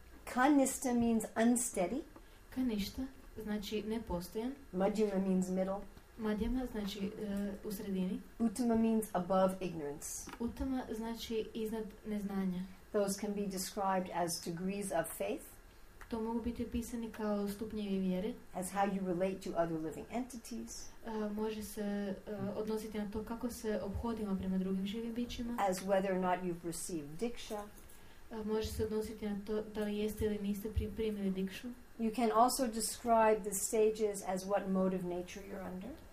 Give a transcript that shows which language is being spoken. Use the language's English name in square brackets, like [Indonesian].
[English] Kanista means unsteady. [Croatian] Kanista znači nepostojan. [English] Madhyama means middle. [Croatian] Madhyama znači u sredini. [English] Uttama means above ignorance. [Croatian] Uttama znači iznad neznanja. [English] Those can be described as degrees of faith. [Croatian] To mogu biti opisani kao stupnjevi vjere. [English] As how you relate to other living entities. [Croatian] Može se odnositi na to kako se ophodimo prema drugim živim bićima. [English] As whether or not you've received diksha. [Croatian] Može se odnositi na to da li jeste ili niste primili dikšu. [English] You can also describe the stages as what mode of nature you're under.